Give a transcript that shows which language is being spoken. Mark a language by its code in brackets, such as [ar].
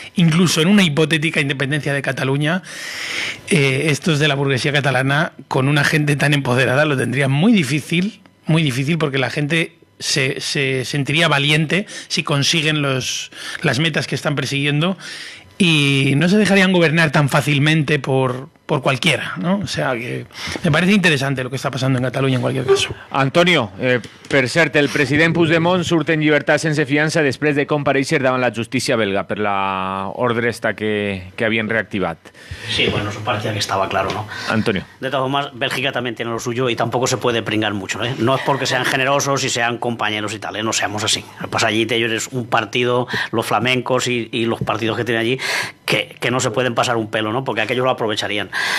[es] Incluso en una hipotética independencia de Cataluña, estos de la burguesía catalana, con una gente tan empoderada, lo tendrían muy difícil, porque la gente se sentiría valiente si consiguen las metas que están persiguiendo y no se dejarían gobernar tan fácilmente por cualquiera, ¿no? O sea, que me parece interesante lo que está pasando en Cataluña en cualquier caso. [ca] Antonio, per cert, el president Puigdemont surt en llibertat sense fiança després de comparèixer davant la justícia belga per la ordre esta que havien reactivat. [es] Sí, bueno, eso parecía que estaba claro, ¿no? Antonio. De todas formas, Bélgica también tiene lo suyo y tampoco se puede pringar mucho, ¿eh? No es porque sean generosos y sean compañeros y tal, ¿eh? No seamos así. Pues allí ellos es un partido, los flamencos y los partidos que tienen allí, que no se pueden pasar un pelo, ¿no? Porque aquellos lo aprovecharían.